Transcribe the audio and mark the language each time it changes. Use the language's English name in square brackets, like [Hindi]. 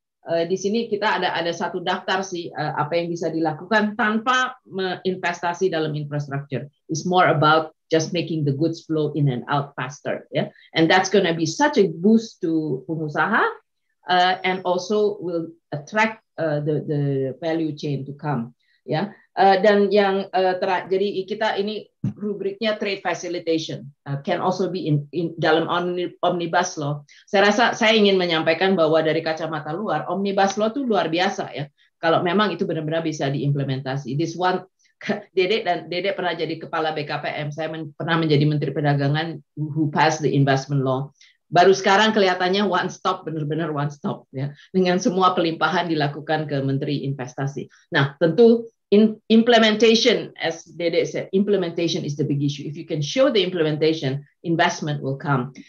[Indonesian] Di sini kita ada satu daftar sih apa yang bisa dilakukan tanpa investasi dalam infrastructure. [English] It's more about just making the goods flow in and out faster, yeah. And that's going to be such a boost to pengusaha, and also will attract the value chain to come, yeah. [Indonesian] Dan yang jadi kita ini rubriknya trade facilitation [English] can also be in [Indonesian] dalam omnibus law. Saya rasa saya ingin menyampaikan bahwa dari kacamata luar omnibus law itu luar biasa ya. Kalau memang itu benar-benar bisa diimplementasi. This one Dede pernah jadi kepala BKPM, saya pernah menjadi Menteri Perdagangan [English] who passed the investment law. [Indonesian] Baru sekarang kelihatannya one stop, benar-benar one stop ya, dengan semua pelimpahan dilakukan ke Menteri Investasi. [English] Nah, tentu implementation, as Dede said, implementation is the big issue. If you can show the implementation, investment will come.